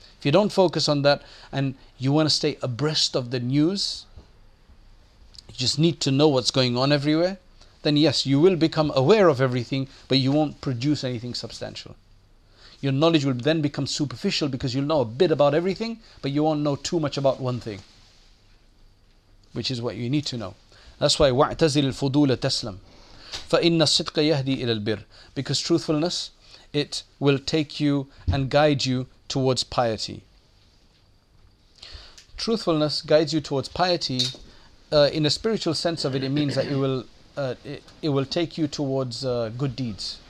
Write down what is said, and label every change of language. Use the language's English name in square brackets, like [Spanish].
[English] If you don't focus on that and you want to stay abreast of the news, you just need to know what's going on everywhere, then yes, you will become aware of everything, but you won't produce anything substantial. Your knowledge will then become superficial because you'll know a bit about everything, but you won't know too much about one thing. Which is what you need to know. That's why [Arabic] وَاعْتَزِلْ الْفُضُولَ تَسْلَمْ فَإِنَّ الصِّدْقَ يَهْدِي إِلَى الْبِرِ. [English] Because truthfulness, it will take you and guide you towards piety. Truthfulness guides you towards piety. In a spiritual sense of it, it means that it will take you towards good deeds.